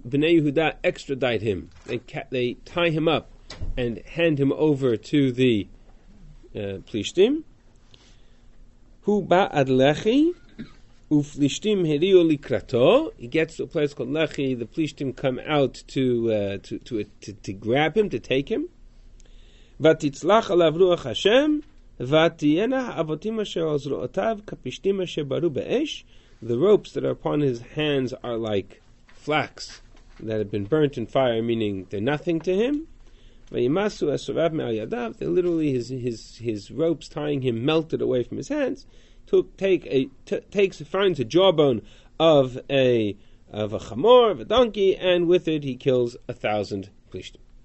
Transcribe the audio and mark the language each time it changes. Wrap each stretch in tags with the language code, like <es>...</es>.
<en>Bnei Yehuda extradite him. They tie him up and hand him over to the Plishtim.</en> <he>Hu ba'ad lechi, uflishtim heriu likrato.</he> <en>He gets to a place called Lechi. The Plishtim come out to grab him, to take him.</en> <he>ותצלח עליו רוח השם, ותהיינה אבותים אשר על זרועותיו כפשתים אשר ברו באש.</he> <en>The ropes that are upon his hands are like flax that have been burnt in fire, meaning they're nothing to him.</en> <he>Vayimasu asurav me'al yadav,</he> <en>they're literally his ropes tying him melted away from his hands. Finds a jawbone of a chamor, of a donkey, and with it he kills 1,000 plishtim.</en>